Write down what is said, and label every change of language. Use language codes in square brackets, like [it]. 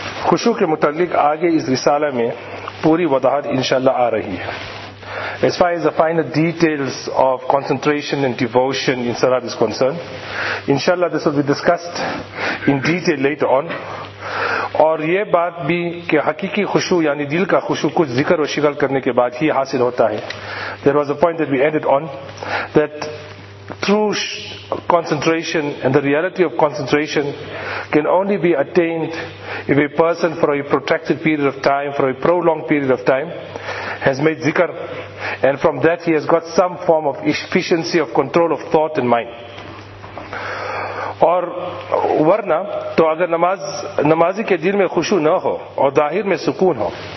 [ur] خشوع کے متعلق آگے اس رسالہ میں پوری وضاحت انشاءاللہ آ رہی ہے. [en] As far as the finer details of concentration and devotion in salat is concerned, inshallah this will be discussed in detail later on. [ur] اور یہ بات بھی کہ حقیقی خشوع یعنی دل کا خشوع کچھ ذکر و شغل کرنے کے بعد ہی حاصل ہوتا ہے. [en] There was a point that we ended on that true concentration and the reality of concentration can only be attained if a person for a protracted period of time, for a prolonged period of time, has made zikr, and from that he has got some form of efficiency of control of thought and mind. [ur] اور ورنہ تو اگر نمازی کے دل میں خشوع نہ ہو اور ظاہر میں سکون ہو.